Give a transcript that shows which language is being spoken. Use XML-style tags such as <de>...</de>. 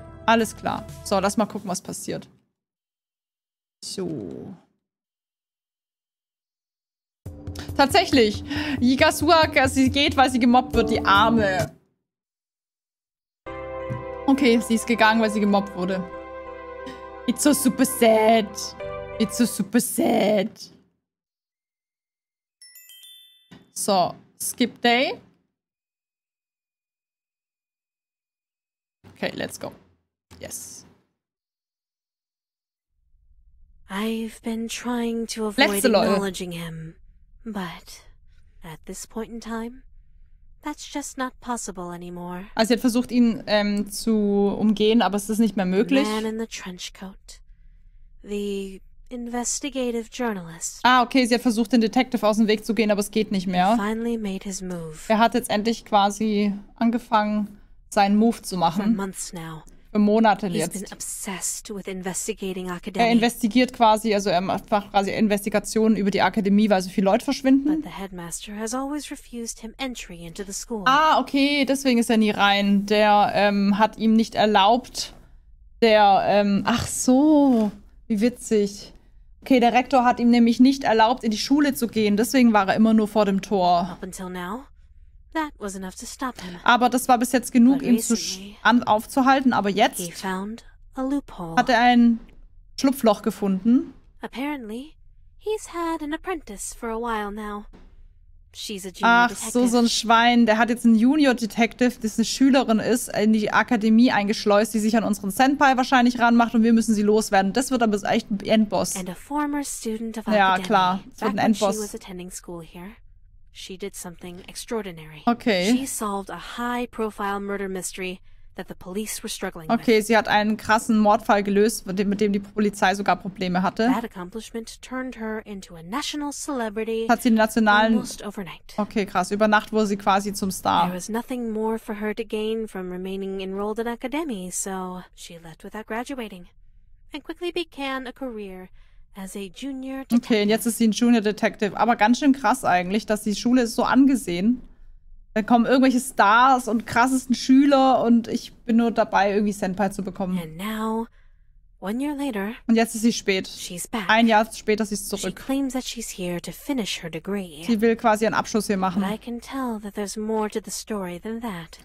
<de>Alles klar. So, lass mal gucken, was passiert. So. Tatsächlich. Yigasua, sie geht, weil sie gemobbt wird. Die Arme. Okay, sie ist gegangen, weil sie gemobbt wurde.</de> <en>It's so super sad. It's so super sad. So, skip day. Okay, let's go. Yes. I've been trying to avoid acknowledging him, but at this point in time, that's just not possible anymore.</en> <de>Also sie hat versucht, ihn zu umgehen, aber es ist nicht mehr möglich.</de> <en>The man in the trench coat. The investigative journalist.</en> <de>Ah, okay, sie hat versucht, den Detective aus dem Weg zu gehen, aber es geht nicht mehr.</de> <en>He finally made his move.</en> <de>Er hat jetzt endlich quasi angefangen, seinen Move zu machen.</de> <en>For months now.</en> <de>Für Monate jetzt.</de> <en>He's been obsessed with investigating Academy.</en> <de>Er investigiert quasi, also er macht quasi Investigationen über die Akademie, weil so viele Leute verschwinden.</de> <en>But the headmaster has always refused him entry into the school.</en> <de>Ah, okay, deswegen ist er nie rein. Der hat ihm nicht erlaubt, der, ach so, wie witzig. Okay, der Rektor hat ihm nämlich nicht erlaubt, in die Schule zu gehen, deswegen war er immer nur vor dem Tor.</de> <en>Up until now. That was enough to stop him.</en> <de>Aber das war bis jetzt genug, ihn zu aufzuhalten. Aber jetzt hat er ein Schlupfloch gefunden.</de> <en>Apparently, he's had an apprentice for a while now. She's a junior</en> <de>Ach,</de> <en>detective.</en> <de>So ein Schwein. Der hat jetzt einen Junior-Detective, das eine Schülerin ist, in die Akademie eingeschleust, die sich an unseren Senpai wahrscheinlich ranmacht und wir müssen sie loswerden. Das wird aber echt ein Endboss.</de> <en>And a former student of</en> <de>ja,</de> <en>Academy,</en> <de>klar. Das wird ein Endboss.</de> <en>She was attending school here. She did something extraordinary. Okay. She solved a high-profile murder mystery that the police were struggling okay, with.</en> <de>Okay, sie hat einen krassen Mordfall gelöst, mit dem die Polizei sogar Probleme hatte.</de> <en>That accomplishment turned her into a national celebrity.</en> <de>Hat sie den nationalen</de> <en>almost overnight.</en> <de>Okay, krass. Über Nacht wurde sie quasi zum Star.</de> <en>There was nothing more for her to gain from remaining enrolled in Academy, so she left without graduating and quickly began a career. As a junior detective.</en> <de>Okay, und jetzt ist sie ein Junior Detective. Aber ganz schön krass eigentlich, dass die Schule ist so angesehen. Da kommen irgendwelche Stars und krassesten Schüler und ich bin nur dabei, irgendwie Senpai zu bekommen.</de> <en>And now, one year later,</en> <de>und jetzt ist sie spät.</de> <en>She's back.</en> <de>Ein Jahr später, sie ist zurück.</de> <en>She claims that she's here to finish her degree.</en> <de>Sie will quasi einen Abschluss hier machen.</de> <en>But I can tell that there's more to the story than that.</en>